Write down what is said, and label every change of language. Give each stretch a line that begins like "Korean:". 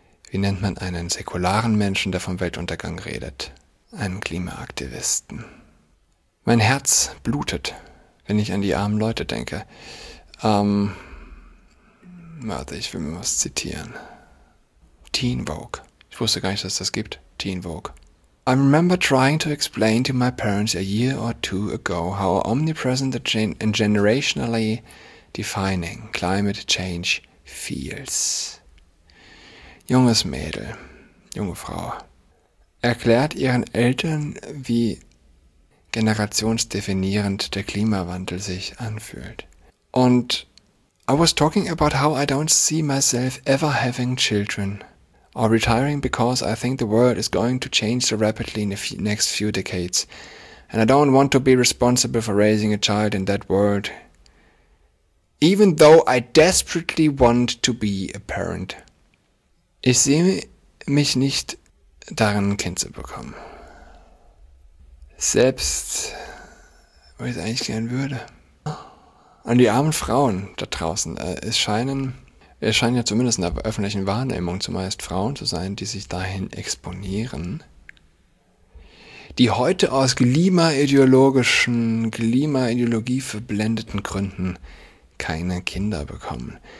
German: Wie nennt man einen säkularen Menschen, der vom Weltuntergang redet? Einen Klimaaktivisten. Mein Herz blutet, wenn ich an die armen Leute denke. Warte, ich will mir was zitieren. Teen Vogue. Ich wusste gar nicht, dass das gibt. Teen Vogue.
English: I remember trying to explain to my parents a year or two ago how omnipresent and generationally defining climate change feels.
German: Junges Mädel, junge Frau, erklärt ihren Eltern, wie generationsdefinierend der Klimawandel sich anfühlt. Und
English: I was talking about how I don't see myself ever having children or retiring because I think the world is going to change so rapidly in the next few decades. And I don't want to be responsible for raising a child in that world. Even though I desperately want to be a parent.
German: Ich sehe mich nicht darin, ein Kind zu bekommen. Selbst, weil ich es eigentlich gern würde. An die armen Frauen da draußen, es scheinen ja zumindest in der öffentlichen Wahrnehmung zumeist Frauen zu sein, die sich dahin exponieren, die heute aus Klimaideologie verblendeten Gründen keine Kinder bekommen.